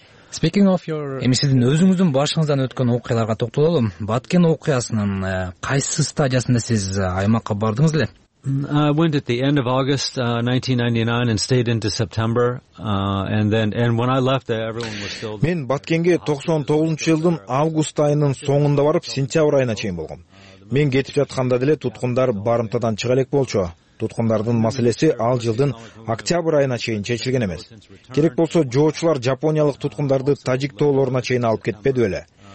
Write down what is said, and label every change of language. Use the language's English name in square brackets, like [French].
[English] Speaking of your [Kyrgyz] эми сиздин өзүңүздүн башыңыздан өткөн окуяларга токтололу. Баткен окуясынын кайсы стадиясында сиз аймакка бардыңыз эле? [English] I went at the end of August 1999 and stayed into September and when I left everyone was still [Kyrgyz] Мен Баткенге 99 жылдын август айынын соңунда барып сентябрь айына чейин болгом. Мен кетип жатканда деле туткундар барымтадан чыга элек болчу. Туткундардын маселеси ал жылдын октябрь айына чейин чечилген эмес. Керек болсо жоочулар жапониялык туткундарды тажик тоолоруна чейин алып кетпеди беле?